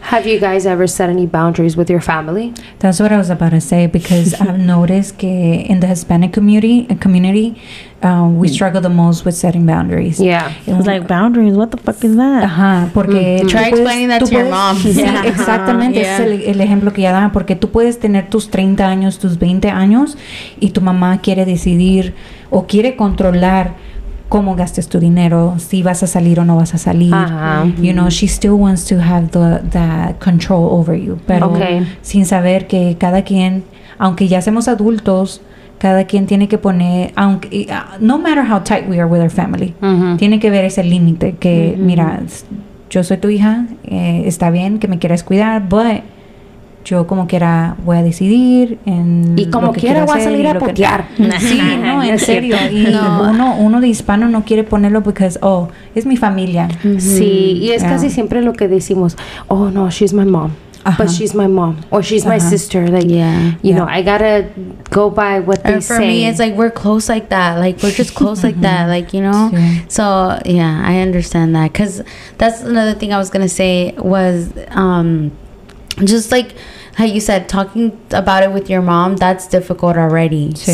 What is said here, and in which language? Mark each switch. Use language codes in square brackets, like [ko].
[en] Have you guys ever set any boundaries with your family? That's what I was about to say, because I've noticed que in the Hispanic community we struggle the most with setting boundaries. Yeah. It was like, boundaries, what the fuck is that? [es] Porque [en] try explaining that to your mom. [es] Exactamente. Yeah. Es el ejemplo que ya daba. Porque tú puedes tener tus 30 años, tus 20 años, y tu mamá quiere decidir o quiere controlar cómo gastes tu dinero, si vas a salir o no vas a salir. [en] You know, she still wants to have the control over you. [es] Pero sin saber que cada quien, aunque ya seamos adultos, cada quien tiene que poner, aunque no matter how tight we are with our family, tiene que ver ese límite que, mira, yo soy tu hija, está bien que me quieras cuidar, but yo como quiera voy a decidir en y como lo que quiera voy a salir a potear. Sí, no, en serio. Y uno de hispano no quiere ponerlo porque, oh, es mi familia. Sí, y es casi siempre lo que decimos, oh no, [en] she's my mom. But she's my mom, or she's my sister. Like, you know, I gotta go by what they say. For me, it's like we're close like that. Like, we're just close like that. Like, you know. Sure. So yeah, I understand that. Cause that's another thing I was gonna say was, just like how you said, talking about it with your mom, that's difficult already. Sure.